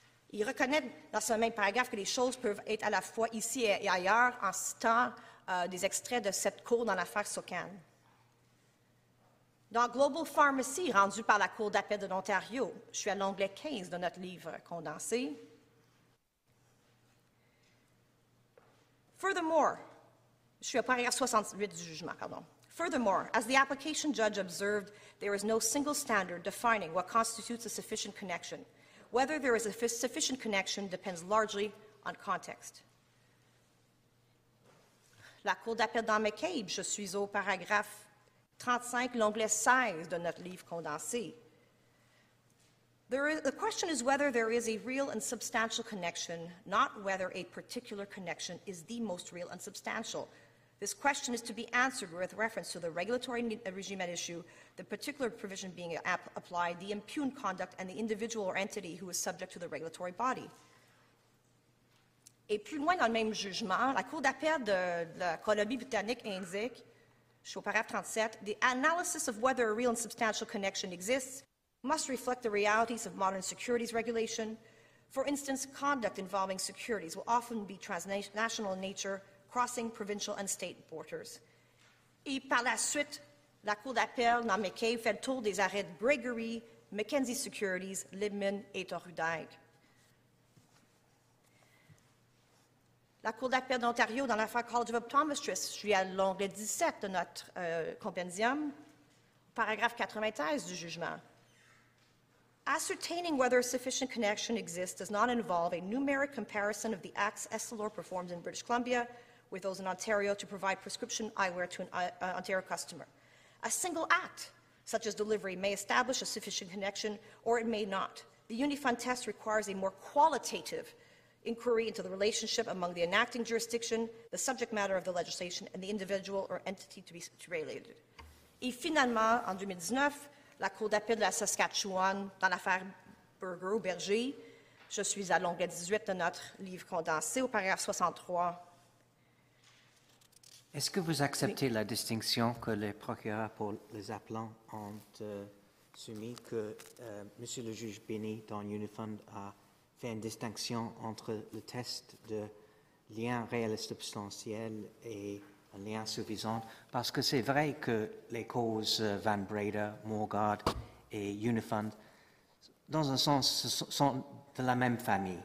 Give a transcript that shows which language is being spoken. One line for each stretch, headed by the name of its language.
French: Il reconnaît dans ce même paragraphe que les choses peuvent être à la fois ici et ailleurs en citant des extraits de cette cour dans l'affaire Socan. Dans Global Pharmacy, rendu par la Cour d'appel de l'Ontario, je suis à l'onglet 15 de notre livre condensé. Furthermore, je suis au paragraphe 68 du jugement, pardon.
English: Furthermore, as the application judge observed, there is no single standard defining what constitutes a sufficient connection. Whether there is a sufficient connection depends largely on context.
French: La Cour d'appel dans McCabe, je suis au paragraphe 35, l'onglet 16 de notre livre condensé.
English: The question is whether there is a real and substantial connection, not whether a particular connection is the most real and substantial. This question is to be answered with reference to the regulatory regime at issue, the particular provision being applied, the impugned conduct, and the individual or entity who is subject to the regulatory body.
French: Et plus loin dans le même jugement, la Cour d'appel de la Colombie-Britannique indique, je suis au paragraphe 37, «
English: The analysis of whether a real and substantial connection exists must reflect the realities of modern securities regulation. For instance, conduct involving securities will often be transnational in nature, crossing provincial and state borders.
French: » Et par la suite, la Cour d'appel dans McCabe fait le tour des arrêts de Gregory, Mackenzie Securities, Libman et Tory-Dagg. La Cour d'appel d'Ontario dans l'affaire College of Optometrists, je suis à l'onglet 17 de notre compendium, paragraphe 93 du jugement.
English: Ascertaining whether a sufficient connection exists does not involve a numeric comparison of the acts Essilor performs in British Columbia with those in Ontario to provide prescription eyewear to an Ontario customer. A single act, such as delivery, may establish a sufficient connection or it may not. The Unifund test requires a more qualitative inquiry into the relationship among the enacting jurisdiction, the subject matter of the legislation, and the individual or entity to be regulated.
French: Et finalement, en 2019, la Cour d'appel de la Saskatchewan, dans l'affaire Berger ou Berger, je suis à l'onglet 18 de notre livre condensé, au paragraphe 63. Est-ce que vous acceptez la distinction que les procureurs pour les appelants ont soumis que Monsieur le juge Binney, dans Unifund, a fait une distinction entre le test de lien réel et substantiel et un lien suffisant, parce que c'est vrai que les causes Van Breda, Morgard et Unifund, dans un sens, sont de la même famille.